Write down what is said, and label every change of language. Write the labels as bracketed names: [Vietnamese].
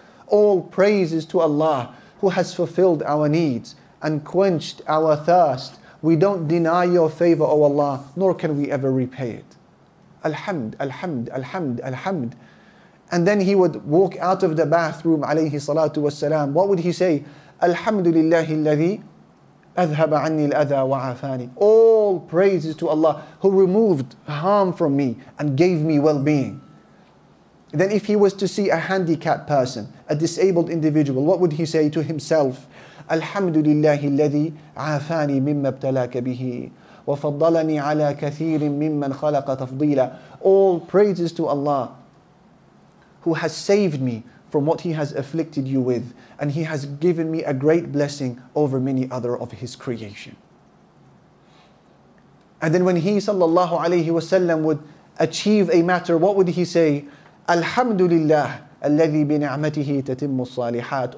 [English] All praises to Allah who has fulfilled our needs and quenched our thirst. We don't deny your favor, O Allah, nor can we ever repay it. Alhamd, alhamd, alhamd, alhamd. And then he would walk out of the bathroom, alayhi salatu wassalam. What would he say? [Arabic] Alhamdulillahi alladhi أذهب عني الأذى وعافاني. [English] All praises to Allah who removed harm from me and gave me well-being. Then if he was to see a handicapped person, a disabled individual, what would he say to himself? [Arabic] الحمد لله الذي عافاني مما ابتلاك به وفضلني على كثير ممن خلق تفضيلا. [English] All praises to Allah who has saved me from what he has afflicted you with, and he has given me a great blessing over many other of his creation. And then when he sallallahu alayhi wasallam would achieve a matter, what would he say? [Arabic] Alhamdulillah, alladhi bi ni'matihi tatimmu salihat.